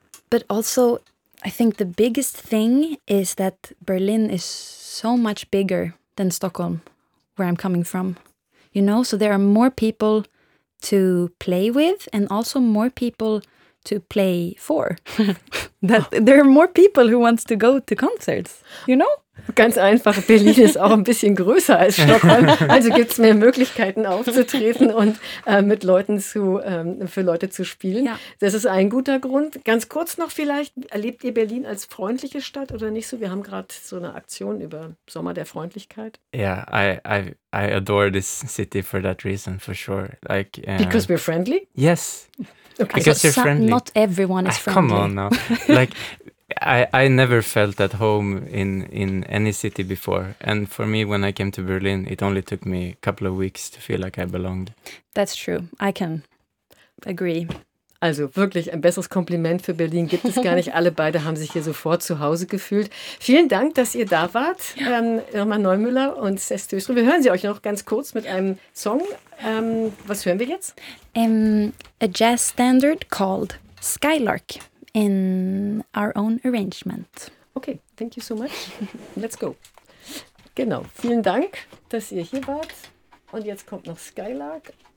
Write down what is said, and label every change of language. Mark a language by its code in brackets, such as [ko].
[en] But also, I think the biggest thing is that Berlin is so much bigger than Stockholm, where I'm coming from. You know, so there are more people to play with and also more people to play for. That there are more people who wants to go to concerts, you know? [de] Ganz einfach, Berlin ist auch ein bisschen größer als Stockholm. Also gibt es mehr Möglichkeiten aufzutreten und mit Leuten zu für Leute zu spielen. Ja. Das ist ein guter Grund. Ganz kurz noch vielleicht, erlebt ihr Berlin als freundliche Stadt oder nicht so? Wir haben gerade so eine Aktion über Sommer der Freundlichkeit. [en] Yeah, I adore this city for that reason, for sure. Like Because we're friendly? Yes. Okay. Because so, you're friendly. Not everyone is friendly. Come on now. Like, I never felt at home in any city before. And for me, when I came to Berlin, it only took me a couple of weeks to feel like I belonged. That's true. I can agree. [de] Also wirklich ein besseres Kompliment für Berlin gibt es gar nicht. Alle beide haben sich hier sofort zu Hause gefühlt. Vielen Dank, dass ihr da wart, Irma Neumüller und Seth Töstrup. Wir hören sie euch noch ganz kurz mit einem Song. Was hören wir jetzt? [en] A jazz standard called Skylark in our own arrangement. Okay, thank you so much. Let's go. [de] Genau, vielen Dank, dass ihr hier wart. Und jetzt kommt noch Skylark.